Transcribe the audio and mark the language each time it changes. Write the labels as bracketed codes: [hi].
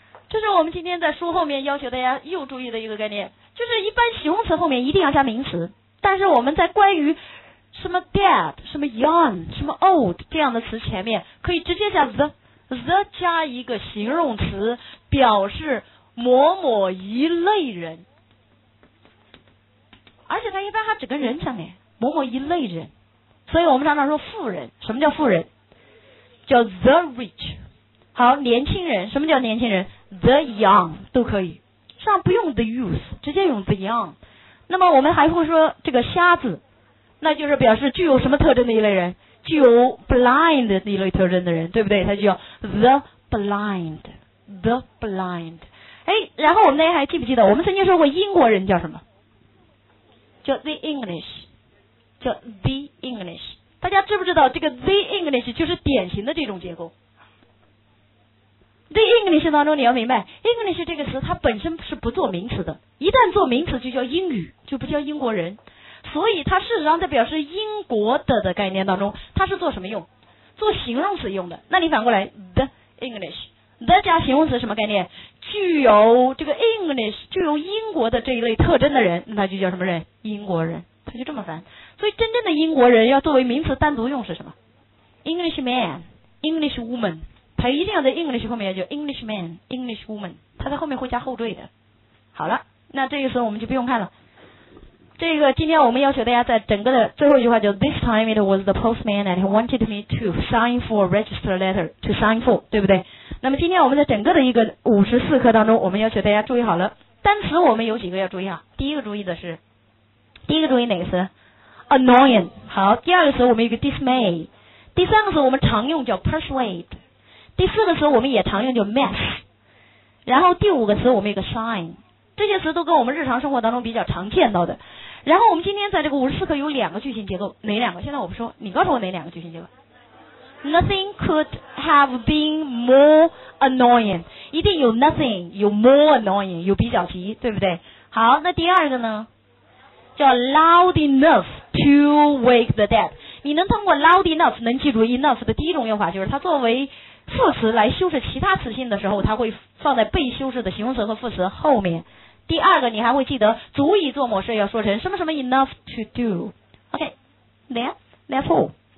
[zh] 这是我们今天在书后面要求大家又注意的一个概念，就是一般形容词后面一定要加名词，但是我们在关于什么 dead 什么 young 什么 old 这样的词前面可以直接加 the， the 加一个形容词表示某某一类人，而且它一般还只跟人相连，某某一类人。所以我们常常说富人，什么叫富人？叫 the rich。好，年轻人，什么叫年轻人？ the young 都可以，上不用 the youth， 直接用 the young。那么我们还会说这个瞎子，那就是表示具有什么特征的一类人，具有 blind 的一类特征的人，对不对？他叫 the blind， the blind。哎，然后我们大家还记不记得我们曾经说过英国人叫什么？叫 the English， 叫 the English。大家知不知道这个 the English 就是典型的这种结构？ the English 当中你要明白 English 这个词它本身是不做名词的，一旦做名词就叫英语，就不叫英国人。所以它事实上在表示英国的概念当中，它是做什么用？做形容词用的。那你反过来 the English， the 加形容词什么概念？具有这个 English， 具有英国的这一类特征的人，那就叫什么人？英国人。它就这么翻。所以真正的英国人要作为名词单独用是什么？ English man， English woman， 它一定要在 English 后面叫 English man， English woman， 它在后面会加后缀的。好了，那这个时候我们就不用看了。 [en] 这个今天我们要求大家在整个的最后一句话叫 This time it was the postman that wanted me to sign for a register letter to sign for，对不对？ [zh] 那么今天我们在整个的一个54课当中，我们要求大家注意好了单词，我们有几个要注意啊。第一个注意的是，第一个注意哪个词？ [en] annoying。 [zh] 好，第二个词我们有个 dismay， 第三个词我们常用叫 persuade， 第四个词我们也常用叫 mess， 然后第五个词我们有个 sign。这些词都跟我们日常生活当中比较常见到的。然后我们今天在这个54课有两个句型结构，哪两个？现在我不说，你告诉我哪两个句型结构。 Nothing could have been more annoying，一定有 nothing， 有 more annoying， 有比较级，对不对？好，那第二个呢叫 loud enough to wake the dead。你能通过 loud enough 能记住 enough 的第一种用法，就是它作为副词来修饰其他词性的时候，它会放在被修饰的形容词和副词后面。第二个你还会记得足以做某事要说成什么什么 enough to do。 [en] OK， therefore。